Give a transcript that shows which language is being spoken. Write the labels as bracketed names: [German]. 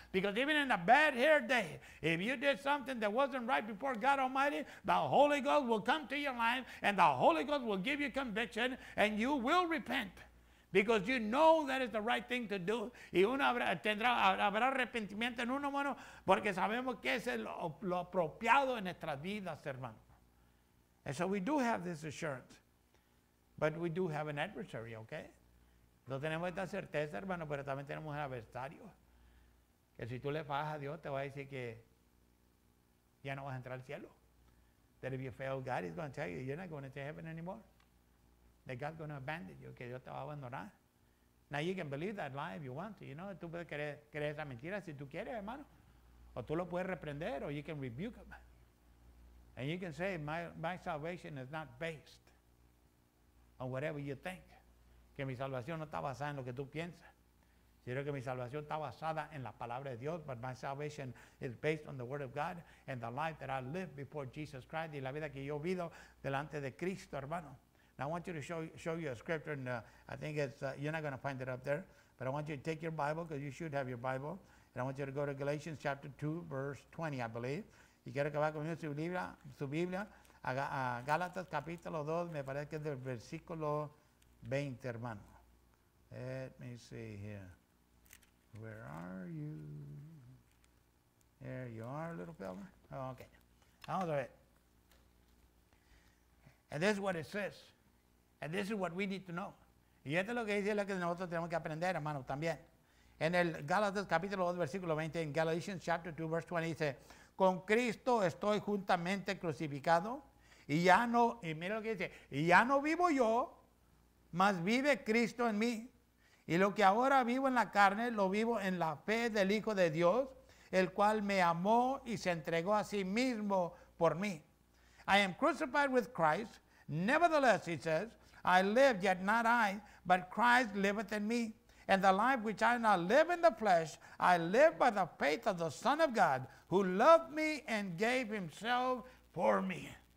[English] Because even in a bad hair day, if you did something that wasn't right before God Almighty, the Holy Ghost will come to your life and the Holy Ghost will give you conviction and you will repent. Because you know that is the right thing to do. [Spanish] Y uno habrá arrepentimiento en uno, hermano, porque sabemos que es lo apropiado en nuestras vidas, hermano. [English] And so we do have this assurance, but we do have an adversary, okay? [Spanish] No tenemos esta certeza, hermano, pero también tenemos un adversario. Que si tú le fallas a Dios, te va a decir que ya no vas a entrar al cielo. [English] That if you fail God, he's going to tell you, you're not going to heaven anymore. That God's going to abandon you, [Spanish] que Dios te va a abandonar. [English] Now you can believe that lie if you want to, you know? [Spanish] Tú puedes creer esa mentira si tú quieres, hermano. O tú lo puedes reprender, [English] or you can rebuke him. And you can say, my salvation is not based on whatever you think. [Spanish] Que mi salvación no está basada en lo que tú piensas. Sino que mi salvación está basada en la palabra de Dios. [English] But my salvation is based on the word of God and the life that I live before Jesus Christ. [Spanish] Y la vida que yo vivo delante de Cristo, hermano. [English] Now I want you to show you a scripture. And I think you're not going to find it up there. But I want you to take your Bible because you should have your Bible. And I want you to go to Galatians chapter 2, verse 20, I believe. [Spanish] Y quiero que vaya conmigo su Biblia, a Gálatas capítulo 2, me parece que es del versículo 20, hermano. [English] Let me see here. Where are you? There you are, little fella. Okay. [Spanish] Vamos a ver. [English] And this is what it says. And this is what we need to know. [Spanish] Y esto es lo que dice, lo que nosotros tenemos que aprender, hermano, también. En el Gálatas capítulo 2, versículo 20, en [English] Galatians chapter 2, verse 20, [Spanish] dice: con Cristo estoy juntamente crucificado y ya no, y mira lo que dice, y ya no vivo yo, mas vive Cristo en mí. Y lo que ahora vivo en la carne, lo vivo en la fe del Hijo de Dios, el cual me amó y se entregó a sí mismo por mí. [English] I am crucified with Christ. Nevertheless, he says, I live, yet not I, but Christ liveth in me. And the life which I now live in the flesh, I live by the faith of the Son of God, who loved me and gave himself for me.